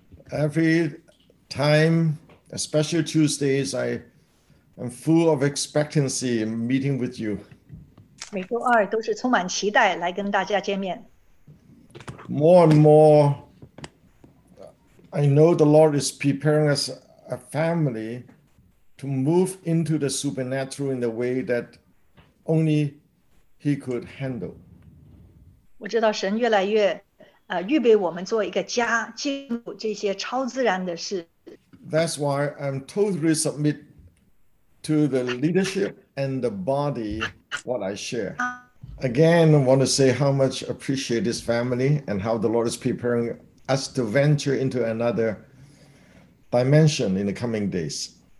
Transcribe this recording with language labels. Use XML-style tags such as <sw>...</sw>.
<en>Every time, especially Tuesdays, I am full of expectancy in meeting with you.</en> <zh>每周二都是充满期待来跟大家见面。</zh> <en>More and more, I know the Lord is preparing us a family to move into the supernatural in the way that only He could handle.</en> <zh>我知道神越来越 预备我们做一个家, 进入这些超自然的事。</zh> <en>That's why I'm totally submit to the leadership and the body what I share. Again, I want to say how much I appreciate this family and how the Lord is preparing us to venture into another dimension in the coming days.</en>